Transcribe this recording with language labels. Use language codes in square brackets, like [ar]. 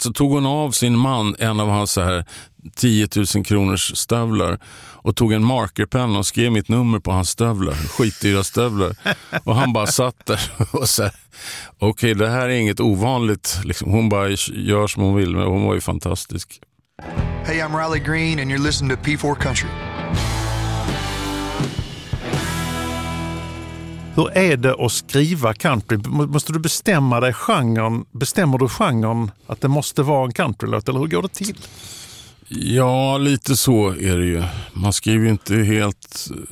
[sv] Så tog hon av sin man en av hans så här 10 000 kronors stövlar och tog en markerpenna och skrev mitt nummer på hans stövlar, skitdyra stövlar. Och han bara satt där och så här, okej, det här är inget ovanligt liksom. Hon bara gör som hon vill, men hon var ju fantastisk. [en] Hey, I'm Riley Green and you're listening to P4 Country. [sv] Hur är det att skriva country? Måste du bestämma dig genren? Bestämmer du genren att det måste vara en countrylåt, eller hur går det till? Ja, lite så är det ju. Man skriver ju inte helt